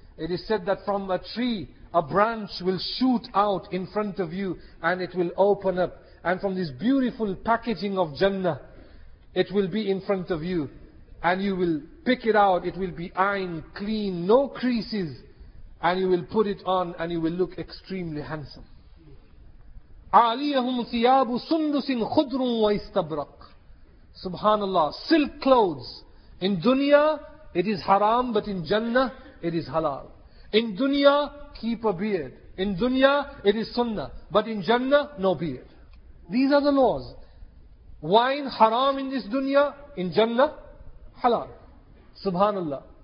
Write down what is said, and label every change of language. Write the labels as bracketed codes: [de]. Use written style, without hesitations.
[en] It is said that from a tree, a branch will shoot out in front of you and it will open up. And from this beautiful packaging of Jannah, it will be in front of you. And you will pick it out. It will be ironed, clean, no creases. And you will put it on and you will look extremely handsome. [ar] عَلِيَهُمْ ثِيَابُ سُنْدُسٍ خُدْرٌ وَإِسْتَبْرَقٍ Subhanallah. [en] Silk clothes. In dunya, it is haram, but in Jannah, it is halal. In dunya, keep a beard. In dunya, it is sunnah. But in Jannah, no beard. These are the laws. Wine, haram in this dunya. In Jannah, halal. Subhanallah.